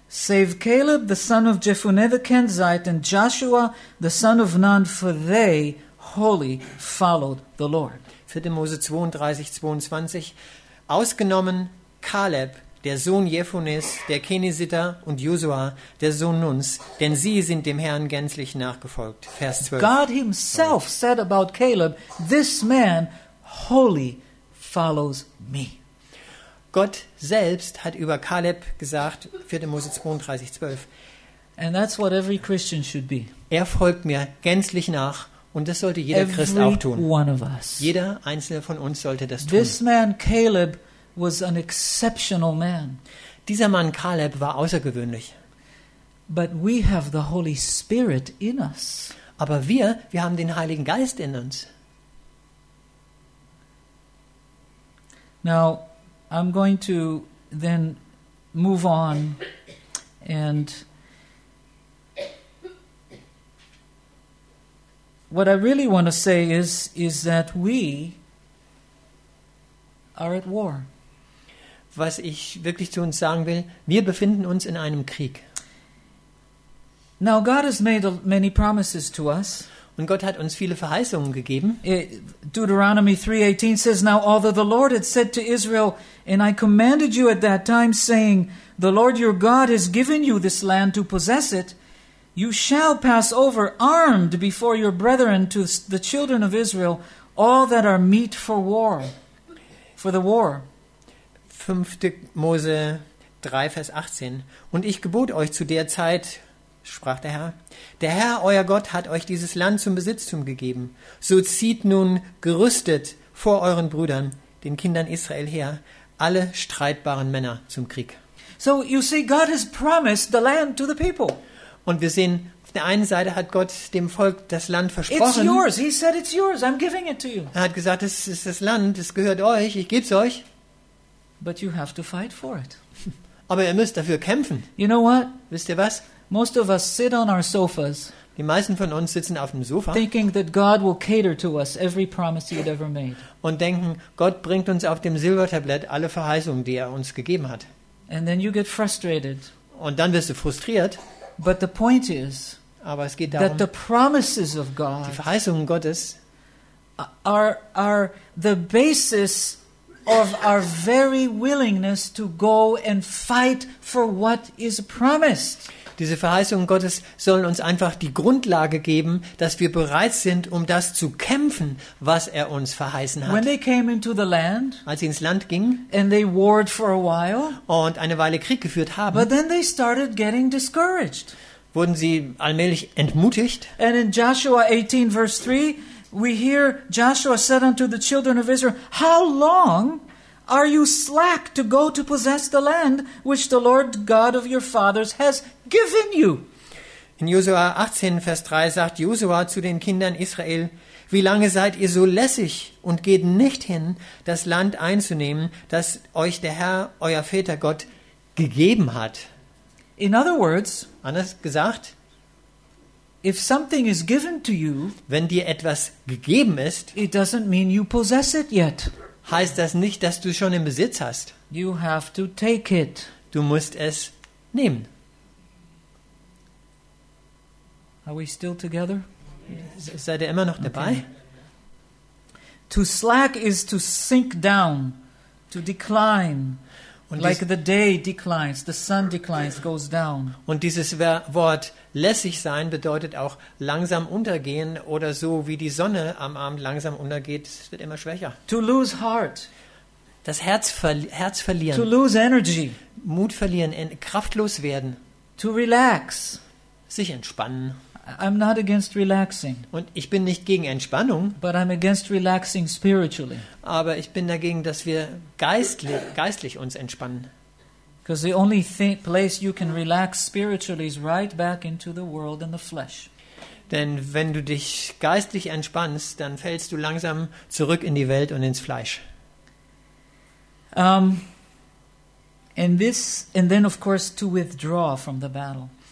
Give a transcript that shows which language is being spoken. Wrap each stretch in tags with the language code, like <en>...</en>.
<en>Save Caleb, the son of Jephunneh the Kenzite, and Joshua, the son of Nun, for they wholly followed the Lord.</en> <de>4. Mose 32, 22. Ausgenommen Caleb, der Sohn Jephunnes, der Kenesiter, und Josua, der Sohn Nuns, denn sie sind dem Herrn gänzlich nachgefolgt. Vers 12.</de> <en>God himself said about Caleb, this man wholly follows me.</en> <de>Gott selbst hat über Caleb gesagt, 4. Mose 32, 12.</de> <en>And that's what every Christian should be.</en> <de>Er folgt mir gänzlich nach. Und das sollte jeder Christ auch tun.</de> <en>One of us.</en> <de>Jeder einzelne von uns sollte das tun.</de> <en>This man Caleb was an exceptional man.</en> <de>Dieser Mann Caleb war außergewöhnlich.</de> <en>But we have the Holy Spirit in us.</en> <de>Aber wir haben den Heiligen Geist in uns.</de> <en>Now, I'm going to then move on and what I really want to say is that we are at war.</en> <de>Was ich wirklich zu uns sagen will, wir befinden uns in einem Krieg.</de> <en>Now God has made many promises to us.</en> <de>Und Gott hat uns viele Verheißungen gegeben.</de> <en>Deuteronomy 3:18 says, Now although the Lord had said to Israel, and I commanded you at that time, saying, The Lord your God has given you this land to possess it, you shall pass over armed before your brethren to the children of Israel all that are meet for war. For the war.</en> <de>5. Mose 3, Vers 18. Und ich gebot euch zu der Zeit, sprach der Herr, der Herr, euer Gott, hat euch dieses Land zum Besitztum gegeben. So zieht nun gerüstet vor euren Brüdern, den Kindern Israel her, alle streitbaren Männer zum Krieg.</de> <en>So you see, God has promised the land to the people.</en> <de>Und wir sehen, auf der einen Seite hat Gott dem Volk das Land versprochen.</de> <en>It's yours. He said it's yours. I'm giving it to you.</en> <de>Er hat gesagt, es ist das Land, es gehört euch, ich gebe es euch.</de> <en>But you have to fight for it.</en> <de>Aber ihr müsst dafür kämpfen.</de> <en>You know what?</en> <de>Wisst ihr was?</de> <en>Most of us sit on our sofas.</en> <de>Die meisten von uns sitzen auf dem Sofa.</de> <en>Thinking that God will cater to us every promise he had ever made.</en> <de>Und denken, Gott bringt uns auf dem Silbertablett alle Verheißungen, die er uns gegeben hat.</de> <en>And then you get frustrated.</en> <de>Und dann wirst du frustriert.</de> <en>But the point is,</en> <de>aber es geht darum,</de> <en>that the promises of God,</en> <de>die Verheißungen Gottes,</de> <en>are the basis of our very willingness to go and fight for what is promised.</en> <de>Diese Verheißungen Gottes sollen uns einfach die Grundlage geben, dass wir bereit sind, um das zu kämpfen, was er uns verheißen hat.</de> <en>When they came into the land,</en> <de>als sie ins Land gingen,</de> <en>and they warred for a while,</en> <de>und eine Weile Krieg geführt haben,</de> <en>but then they started getting discouraged.</en> <de>Wurden sie allmählich entmutigt.</de> <en>And in Joshua 18, verse 3, we hear Joshua said unto the children of Israel, How long are you slack to go to possess the land which the Lord God of your fathers has given you?</en> <de>In Josua 18, Vers 3 sagt Josua zu den Kindern Israel, Wie lange seid ihr so lässig und geht nicht hin, das Land einzunehmen, das euch der Herr, euer Väter Gott, gegeben hat?</de> <en>In other words,</en> <de>anders gesagt,</de> <en>If something is given to you,</en> <de>wenn dir etwas gegeben ist,</de> <en>it doesn't mean you possess it yet.</en> <de>Heißt das nicht, dass du schon im Besitz hast?</de> <en>You have to take it.</en> <de>Du musst es nehmen.</de> <en>Are we still together?</en> <de>Seid ihr immer noch dabei?</de> <en>Okay. To slack is to sink down, to decline. Like the day declines, the sun declines, goes down.</en> <de>Und dieses Wort lässig sein bedeutet auch langsam untergehen oder so wie die Sonne am Abend langsam untergeht, es wird immer schwächer.</de> <en>To lose heart.</en> <de>Das Herz verlieren.</de> <en>To lose energy.</en> <de>Mut verlieren, kraftlos werden.</de> <en>To relax.</en> <de>Sich entspannen.</de> <en>I'm not against relaxing.</en> <de>Und ich bin nicht gegen Entspannung.</de> <en>But I'm against relaxing spiritually.</en> <de>Aber ich bin dagegen, dass wir geistlich uns entspannen.</de> <en>Because the only place you can relax spiritually is right back into the world and the flesh.</en> <de>Denn wenn du dich geistlich entspannst, dann fällst du langsam zurück in die Welt und ins Fleisch.</de> <en>And then of course to withdraw from the battle.</en>